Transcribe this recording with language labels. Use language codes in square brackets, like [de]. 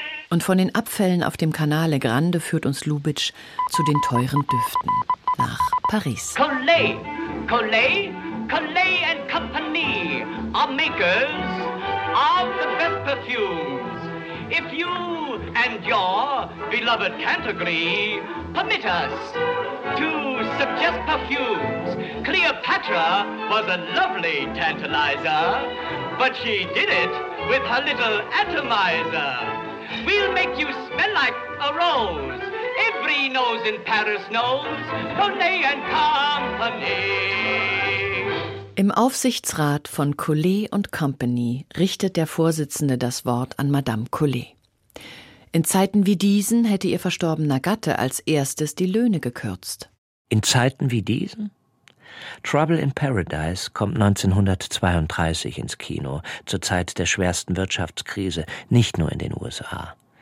[de] Und von den Abfällen auf dem Canale Grande führt uns Lubitsch zu den teuren Düften nach Paris. [en] Collet, Collet, Collet and Company are makers of the best perfumes. If you and your beloved can't agree, permit us to suggest perfumes. Cleopatra was a lovely tantalizer, but she did it with her little atomizer. We'll make you smell like a rose. Every nose in Paris knows Collet and Company. [de] Im Aufsichtsrat von Collet und Company richtet der Vorsitzende das Wort an Madame Collet. In Zeiten wie diesen hätte ihr verstorbener Gatte als erstes die Löhne gekürzt. In Zeiten wie diesen? Trouble in Paradise kommt 1932 ins Kino, zur Zeit der schwersten Wirtschaftskrise, nicht nur in den USA.